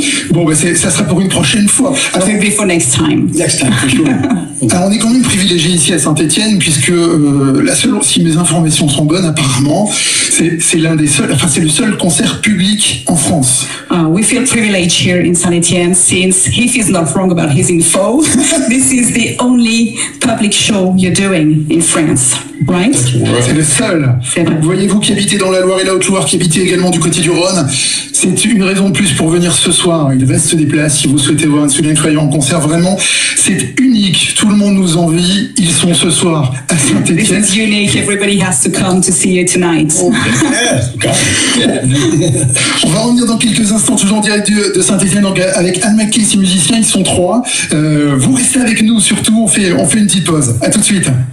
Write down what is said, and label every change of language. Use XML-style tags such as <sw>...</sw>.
<fr>Bon, ben ça sera pour une prochaine fois.</fr> <en>Maybe for next time. Next time, for sure.</en> <fr>Alors, on est quand même privilégié ici à Saint-Étienne, puisque si mes informations sont bonnes, apparemment, c'est le seul concert public en France.</fr> <en>We feel privileged here in Saint-Étienne, since Heath is not wrong about his info. This is the only public show you're doing in France, right?</en> <fr>C'est le seul. Voyez-vous qui habitez dans la Loire et la Haute-Loire, qui habitez également du côté du Rhône, c'est une raison de plus pour venir ce soir. Il reste des places si vous souhaitez voir un Sunday Night Live en concert. Vraiment, c'est unique. Tout le monde nous envie, ils sont ce soir à Saint-Étienne.</fr> <en>This is unique, everybody has to come to see you tonight.</en> <fr>On va revenir dans quelques instants, toujours en direct de Saint-Étienne, avec Anne McKay, ses musiciens, ils sont trois. Vous restez avec nous, surtout, on fait une petite pause. À tout de suite.</fr>